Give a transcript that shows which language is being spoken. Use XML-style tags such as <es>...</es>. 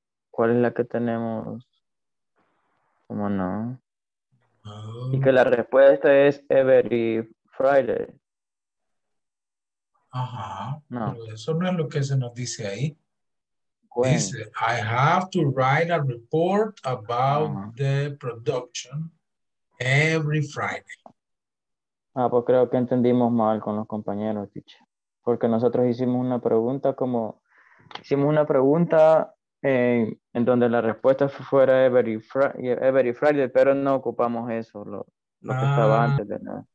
<es>¿Cuál es la que tenemos? ¿Cómo no? Oh. Y que la respuesta es</es> <en>every Friday.</en> <es>Ajá. No. Pero eso no es lo que se nos dice ahí. ¿Cuál? Dice,</es> <en>I have to write a report about the production every Friday.</en> <es>Ah, pues creo que entendimos mal con los compañeros, teacher. Porque nosotros hicimos una pregunta como... Hicimos una pregunta... en donde la respuesta fuera</es> <en>every Friday,</en> <es>pero no ocupamos eso, lo que estaba antes de nada.</es>